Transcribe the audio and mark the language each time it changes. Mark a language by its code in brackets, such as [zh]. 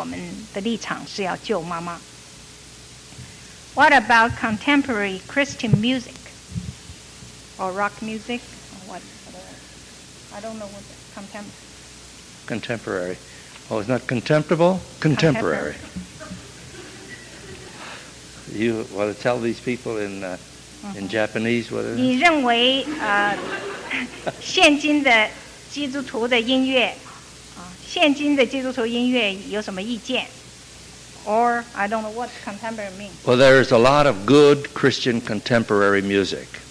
[zh] 若是像这个问题这样提出来的，一个孩子的出生影响到妈妈的寿命的时候，我觉得我们的立场是要救妈妈。 [en] What about contemporary Christian music or rock music? Or what? I don't know what contemporary. Contemporary. Oh, it's not contemptible? Contemporary. You want to tell these people in Japanese what it is? [zh] 你认为 现今的基督徒的音乐 现今的基督徒音乐有什么意见? [en] Or I don't know what contemporary means. Well, there is a lot of good Christian contemporary music.